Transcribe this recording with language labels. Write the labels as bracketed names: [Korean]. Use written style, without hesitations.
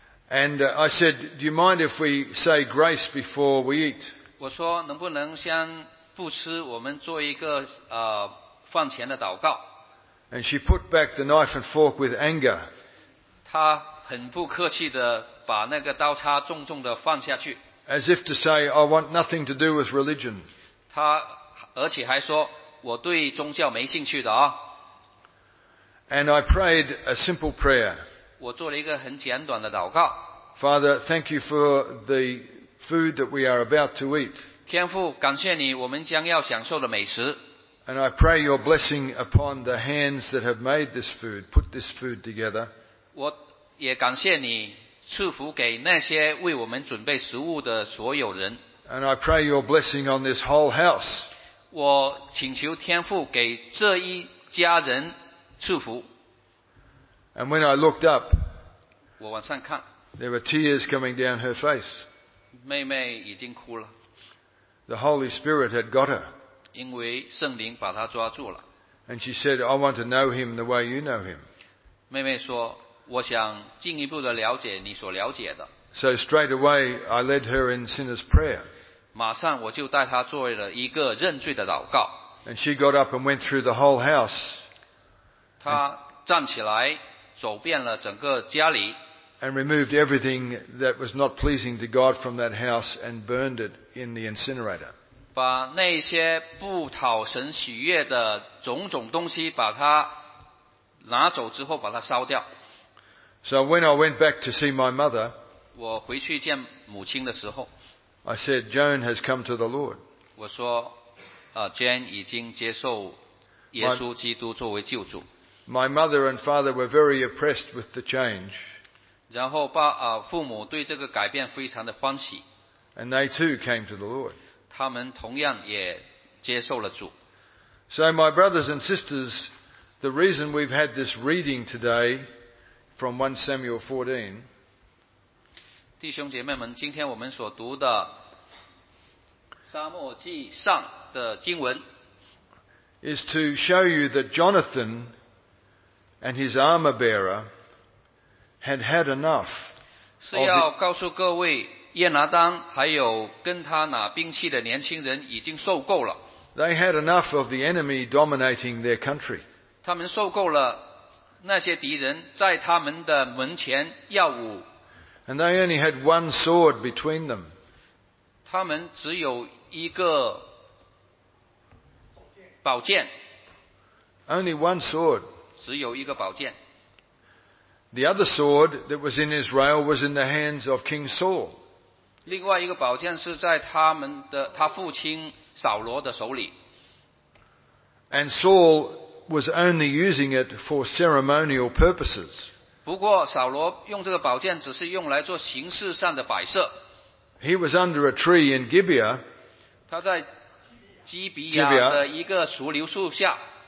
[English] And I said, "Do you mind if we say grace before we eat?" [Chinese] 我说能不能先不吃，我们做一个饭前的祷告。 [English] And she put back the knife and fork with anger. [Chinese] 她很不客气的把那个刀叉重重的放下去。 [English] As if to say, I want nothing to do with religion. [Chinese] 她而且还说，我对宗教没兴趣的啊。 [English] And I prayed a simple prayer. [Chinese] 我做了一个很简短的祷告。 [English] Father, thank you for the food that we are about to eat. [Chinese] 天父，感谢你，我们将要享受的美食。 [English] And I pray your blessing upon the hands that have made this food, put this food together. [Chinese] 我也感谢你赐福给那些为我们准备食物的所有人。 [English] And I pray your blessing on this whole house. [Chinese] 我请求天父给这一家人赐福。 [English] And when I looked up, [Chinese] 我往上看， [English] there were tears coming down her face. [Chinese] 妹妹已经哭了。 [English] The Holy Spirit had got her. [Chinese] 因为圣灵把她抓住了。 [English] And she said, I want to know him the way you know him. [Chinese] 妹妹说，我想进一步的了解你所了解的。 [English] So straight away, I led her in sinner's prayer. [Chinese] 马上我就带她做了一个认罪的祷告。 [English] And she got up and went through the whole house. [Chinese] 她站起来，走遍了整个家里。 [English] And removed everything that was not pleasing to God from that house and burned it in the incinerator. [Chinese] 把那些不讨神喜悦的种种东西把它拿走之后把它烧掉。 [English] So when I went back to see my mother, [Chinese] 我回去见母亲的时候， [English] I said, Joan has come to the Lord. [Chinese] 我说Jane 已经接受耶稣基督作为救主。 [English] My mother and father were very oppressed with the change. [Chinese] 然后父母对这个改变非常的欢喜。 [English] And they too came to the Lord. [Chinese] 他们同样也接受了主。 [English] So my brothers and sisters, the reason we've had this reading today from 1 Samuel 14, [Chinese] 弟兄姐妹们，今天我们所读的沙漠记上的经文 [English] is to show you that Jonathan and his armor bearer had had enough. [Chinese] 是要告诉各位，耶拿丹还有跟他拿兵器的年轻人已经受够了。 [English] They had enough of the enemy dominating their country. [Chinese] 他们受够了那些敌人在他们的门前耀武。 [English] And they only had one sword between them. [Chinese] 他们只有一个宝剑。 [English] Only one sword. [Chinese] 只有一个宝剑。 [English] The other sword that was in Israel was in the hands of King Saul. [Chinese] 另外一个宝剑是在他父亲扫罗的手里。 [English] And Saul was only using it for ceremonial purposes. [Chinese] 不过扫罗用这个宝剑只是用来做形式上的摆设。 [English] He was under a tree in Gibeah. [Chinese] 他在基比亚的一个熟瘤树下。